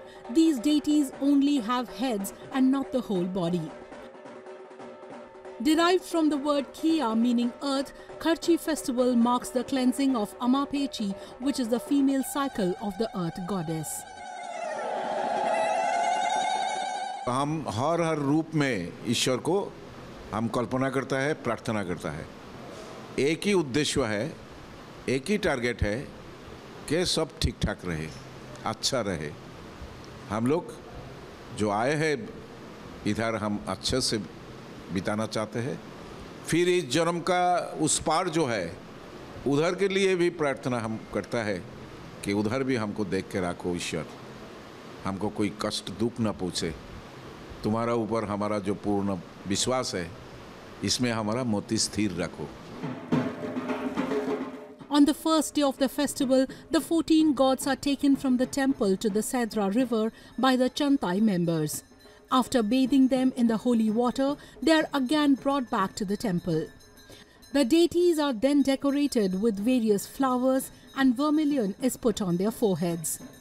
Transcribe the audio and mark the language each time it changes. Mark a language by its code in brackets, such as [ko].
[en] These deities only have heads and not the whole body. Derived from the word Kiya, meaning earth, Kharchi festival marks the cleansing of Amapechi, which is the female cycle of the earth goddess. [hi] हम हर हर रूप में ईश्वर को हम कल्पना करता है प्रार्थना करता है एक ही उद्देश्य है एक ही टारगेट है कि सब ठीक ठाक रहे अच्छा रहे हम लोग जो आए हैं इधर हम अच्छे से बिताना चाहते हैं फिर इस जन्म का उस पार जो है उधर के लिए भी प्रार्थना हम करता है कि उधर भी हमको देख के रखो ईश्वर हमको कोई कष्ट दुख ना पहुँचे तुम्हारा ऊपर हमारा जो पूर्ण विश्वास है इसमें हमारा मोती स्थिर रखो [en] On the first day of the festival, the 14 gods are taken from the temple to the Sedra River by the Chantai members. After bathing them in the holy water, they are again brought back to the temple. The deities are then decorated with various flowers and vermilion is put on their foreheads.